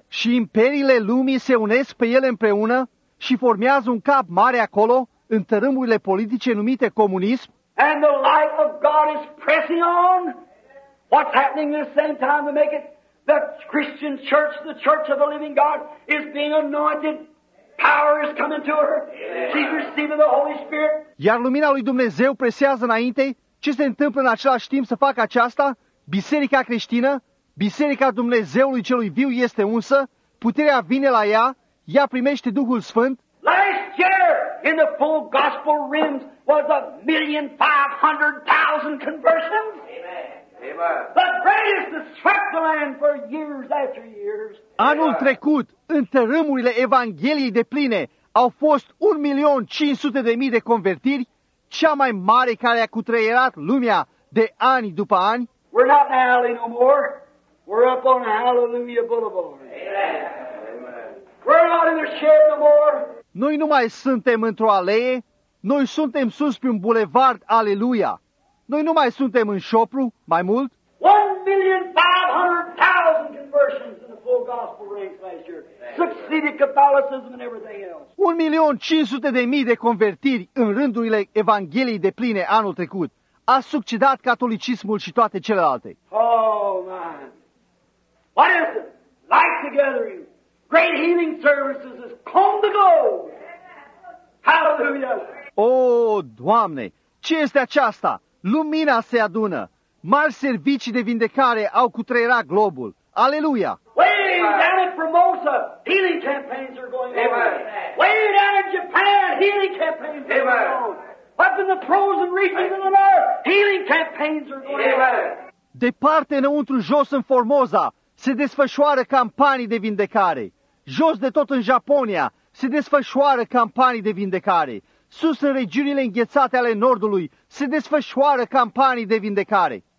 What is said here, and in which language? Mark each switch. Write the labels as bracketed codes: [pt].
[ro] Și imperiile lumii se unesc pe ele împreună și formează un cap mare acolo, în tărâmurile politice numite comunism. [en] And the light of God is pressing on. What's happening at the same time to make it? The Christian church, the church of the living God, is being anointed. Power is coming to her. She's receiving the Holy Spirit. [ro] Iar lumina lui Dumnezeu presează înainte. Ce se întâmplă în același timp să facă aceasta? Biserica creștină, Biserica Dumnezeului Celui Viu este unsă, puterea vine la ea, ea primește Duhul Sfânt. [en] Last year, in the full gospel realms, was 1,500,000 conversions. Amen. The greatest that swept the land for years after years. [ro] Anul trecut, în tărâmurile Evangheliei de pline, au fost 1,500,000 de convertiri, cea mai mare care a cutreierat lumea de ani după ani. [en] We're not in alley no more. We're up on Hallelujah Boulevard. Amen. We're not in the shed no more. [ro] Noi nu mai suntem într-o alee, noi suntem sus pe un bulevard, aleluia. Noi nu mai suntem în șopru, mai mult. [en] 1,500,000 conversions in the full gospel range last year. Succeeded Catholicism and everything else. [ro] 1,500,000 de convertiri în rândurile Evangheliei de pline anul trecut. A succedat catolicismul și toate celelalte. [en] Oh, man. What is it? Light gathering, great healing services has come to go. Hallelujah. [ro] Oh, Doamne, ce este aceasta? Lumina se adună. Mari servicii de vindecare au cutreierat globul. Aleluia. [en] Way down in Formosa, healing campaigns are going on. Amen. Way down in Japan, healing campaigns are going on. Up in the frozen regions of the earth, healing campaigns are going on. [ro] Departe înăuntru jos în Formosa, se desfășoară campanii de vindecare. Jos de tot în Japonia se desfășoară campanii de vindecare. Sus în regiunile înghețate ale Nordului se desfășoară campanii de vindecare.